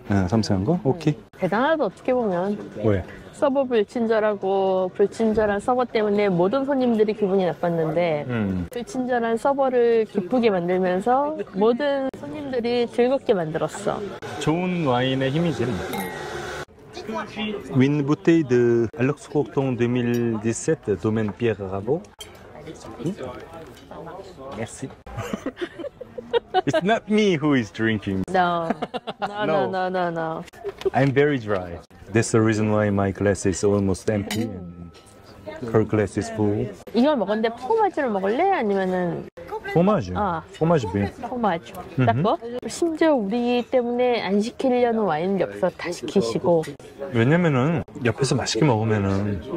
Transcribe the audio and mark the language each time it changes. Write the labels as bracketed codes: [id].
[ko] 네, 섬세한 거? 오케이. 대단하다, 어떻게 보면. 왜? 서버 불친절하고 불친절한 서버 때문에 모든 손님들이 기분이 나빴는데 불친절한 서버를 기쁘게 만들면서 모든 손님들이 즐겁게 만들었어. 좋은 와인의 힘이지. [fr] Une bouteille de Alex Courton 2017, domaine Pierre Rabot. [en] Merci. It's not me who is drinking. No. I'm very dry. That's the reason why my glass is almost empty. Her glass is full. [ko] 이걸 먹었는데 포마주를 먹을래? 아니면은 포마주. 아, 포마주 비. 포마주. 딱고. 심지어 우리 때문에 안 시키려는 와인 옆에서 다 시키시고. 왜냐면은 옆에서 맛있게 먹으면은